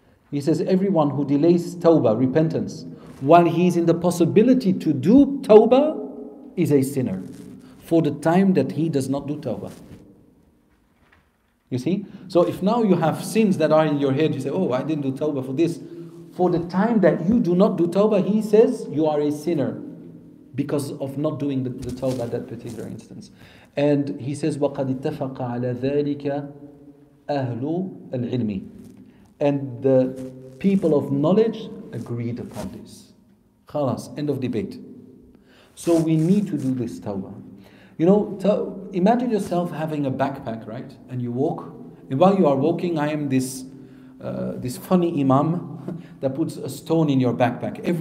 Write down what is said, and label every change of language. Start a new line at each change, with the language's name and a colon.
English: He says, everyone who delays tawbah, repentance, while he is in the possibility to do tawbah, is a sinner for the time that he does not do tawbah. You see? So if now you have sins that are in your head, you say, oh, I didn't do tawbah for this. For the time that you do not do tawbah, he says, you are a sinner because of not doing the tawbah at that particular instance. And he says,
Arabic: وَقَدْ اتَّفَقَ عَلَى ذَلِكَ أَهْلُ الْعِلْمِ.
English: And the people of knowledge agreed upon this. Khalas, end of debate. So we need to do this tawbah. You know, imagine yourself having a backpack, right? And you walk. And while you are walking, I am this funny imam that puts a stone in your backpack.